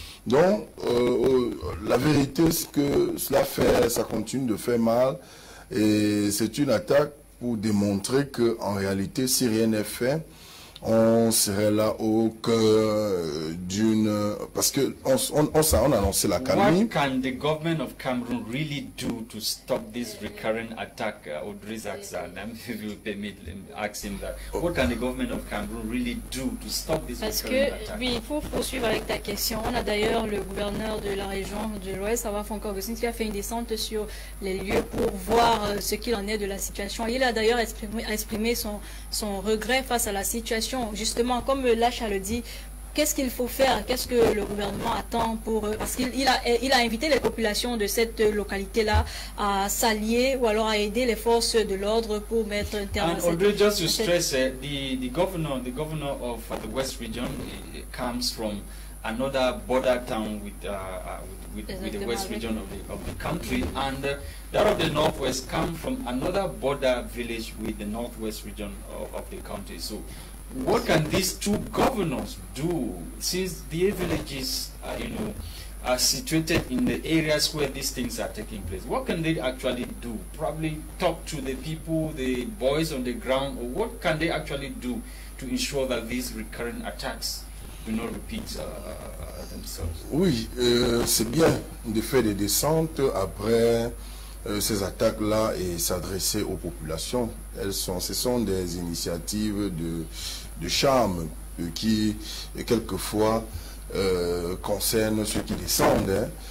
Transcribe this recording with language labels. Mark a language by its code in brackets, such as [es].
[fr] Donc, la vérité, c'est que cela fait, ça continue de faire mal, et c'est une attaque pour démontrer qu'en réalité, si rien n'est fait, on serait là au cœur d'une... Parce qu'on a annoncé la calmie. [en] What can the government of Cameroon really do to stop this recurrent attack, Audrey Zaksan? If you permit, let me ask him that. What can the government of Cameroon really do to stop this [fr] Parce [en] recurrent [fr] que, [en] attack? [fr] Oui, il faut poursuivre avec ta question. On a d'ailleurs le gouverneur de la région de l'Ouest, Awa Fonkorgosin, qui a fait une descente sur les lieux pour voir ce qu'il en est de la situation. Il a d'ailleurs exprimé son regret face à la situation. Justement, comme Lasha le dit, qu'est-ce qu'il faut faire? Qu'est-ce que le gouvernement attend pour... Parce qu'il a invité les populations de cette localité-là à s'allier ou alors à aider les forces de l'ordre pour mettre un terme [en] and [fr] à cette... [en] And just to stress, the governor of the West Region comes from another border town with the west region of the country, and that of the northwest come from another border village with the northwest region of the country. So what can these two governors do, since the villages are situated in the areas where these things are taking place? What can they actually do? Probably talk to the people, the boys on the ground, or what can they actually do to ensure that these recurrent attacks do not repeat themselves? [fr] Oui, c'est bien de faire des descentes après ces attaques-là et s'adresser aux populations. Ce sont des initiatives de charme qui, quelquefois, concernent ceux qui descendent. Hein.